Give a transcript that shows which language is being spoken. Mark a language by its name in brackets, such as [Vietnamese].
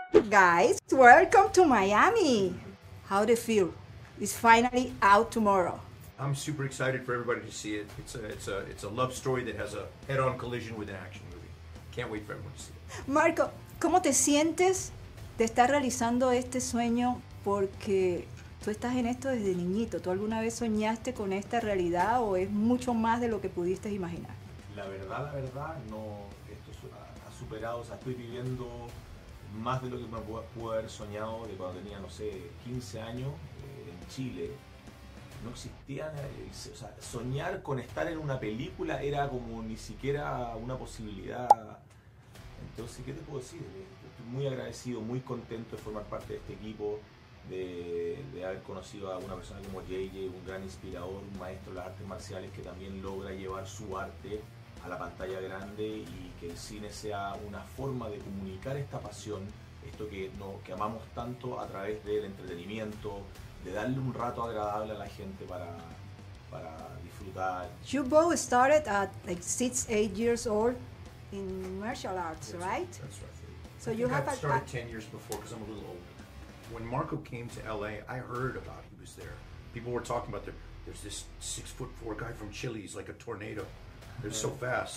[English] Guys, welcome to Miami. How do you feel? It's finally out tomorrow. I'm super excited for everybody to see it. It's a love story that has a head-on collision with an action movie. Can't wait for everyone to see it. [Spanish] Marco, ¿cómo te sientes de estar realizando este sueño? Porque tú estás en esto desde niñito. ¿Tú alguna vez soñaste con esta realidad o es mucho más de lo que pudiste imaginar? La verdad, no. Esto ha superado, o sea, estoy viviendo más de lo que me pude haber soñado de cuando tenía, no sé, 15 años en Chile. No existía, o sea, soñar con estar en una película era como ni siquiera una posibilidad. Entonces, ¿qué te puedo decir? Estoy muy agradecido, muy contento de formar parte de este equipo, de haber conocido a una persona como JJ, un gran inspirador, un maestro de las artes marciales que también logra llevar su arte a la pantalla grande y que el cine sea una forma de comunicar esta pasión, esto que amamos tanto a través del entretenimiento, de darle un rato agradable a la gente para disfrutar. [English] You both started at like 6-8 years old in martial arts, that's right? That's right. So you have started 10 years before because I'm a little older. When Marco came to LA, I heard about he was there. People were talking about there's this 6'4" guy from Chile. He's like a tornado. They're so fast.